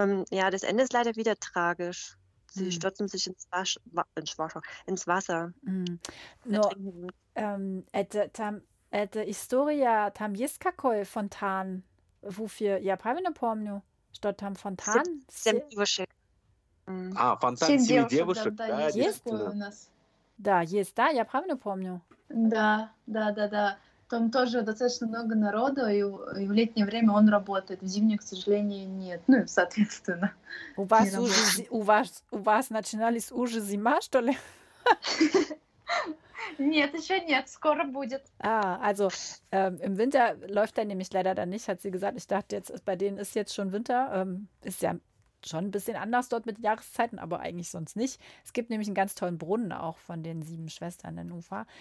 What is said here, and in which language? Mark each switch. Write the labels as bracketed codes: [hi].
[de] ja, das Ende ist leider wieder tragisch. Sie stürzen sich ins Wasser. [ru] Но это история, там есть какой фонтан, вофür, я правильно помню, что там фонтан? Семь девушек. А, фонтан семи девушек, да, есть у нас. Да, есть, да, я правильно помню. Да. Там тоже достаточно много народу, и в летнее время он работает. В зимнее, к сожалению, нет. Ну и соответственно. У вас начинались уже зима, что ли? Нет, еще нет, скоро будет. [de] А, also im Winter läuft er nämlich leider dann nicht, hat sie gesagt. Ich dachte, jetzt bei denen ist jetzt schon Winter. Ist ja schon ein bisschen anders dort mit den Jahreszeiten, aber eigentlich sonst nicht. Es gibt nämlich einen ganz tollen Brunnen auch von den sieben Schwestern in Ufa.